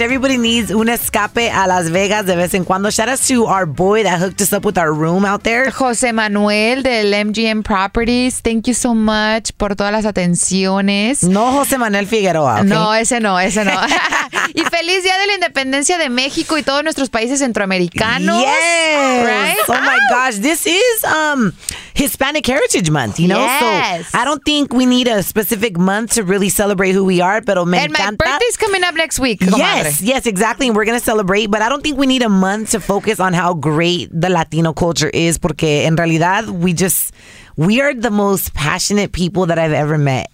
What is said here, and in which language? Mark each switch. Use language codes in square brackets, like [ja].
[en] Everybody needs [es] un escape a Las Vegas de vez en cuando. [en] Shout out to our boy that hooked us up with our room out there. José Manuel del MGM Properties. Thank you so much [es] por todas las atenciones. No, José Manuel Figueroa. Okay? No, ese no, ese no. Y feliz Día de la Independencia de México y todos nuestros países centroamericanos. [en] Yes. Right? Oh my gosh, this is Hispanic Heritage Month, you know? Yes. So I don't think we need a specific month to really celebrate who we are, but [es] me encanta. [en] And my birthday's coming up next week, comadre. Yes, yes, exactly. And we're going to celebrate, but I don't think we need a month to focus on how great the Latino culture is, [es] porque en realidad [en] we are the most passionate people that I've ever met.